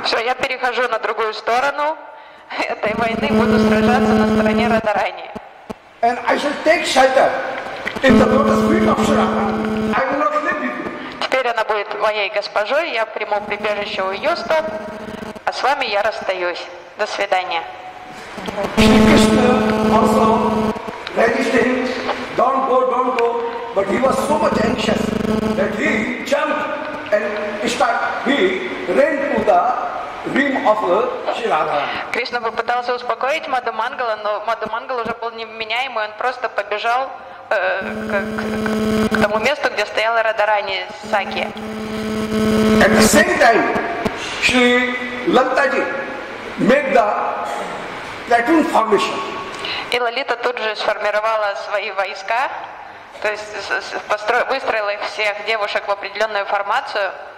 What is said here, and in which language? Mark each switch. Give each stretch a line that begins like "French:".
Russian: Все, я перехожу на другую сторону этой войны, буду сражаться на стороне Радарани.
English: And I shall take shelter in the lotus feet of Shri Radhana. I will not leave you.
Russian: Теперь она будет моей госпожой, я приму прибежище у ее стоп, а с вами я расстаюсь. До свидания.
English: Шри Кришна also registered, don't go, but he was so much anxious that he jumped and started, he ran to the rim of Shri Radha.
Russian: Кришна попытался успокоить Мадхумангала, но Мадхумангал уже был невменяемый, он просто побежал к тому месту, где стояла Радарани Саки.
English: At the same time, Shri Lalita ji made the platoon formation.
Russian: И Лалита тут же сформировала свои войска, то есть выстроила их всех девушек в определенную формацию.